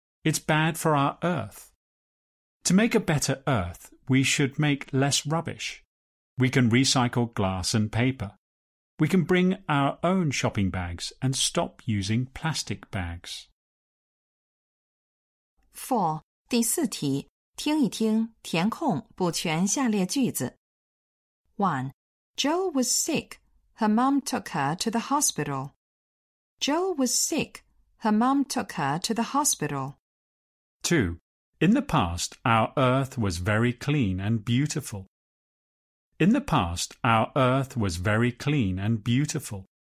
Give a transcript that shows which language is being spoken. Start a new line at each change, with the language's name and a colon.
English: It's bad for our earth. To make a better earth, we should make less rubbish. We can recycle glass and paper. We can bring our own shopping bags and stop using plastic bags. 4.
Chinese: 第四题，听一听，填空，补全下列句子。
English: 1. Jill was sick. Her mom took her to the hospital. Jill was sick. Her mom took her to the hospital. 2. In the past, our earth was very clean and beautiful. In the past, our earth was very clean and beautiful.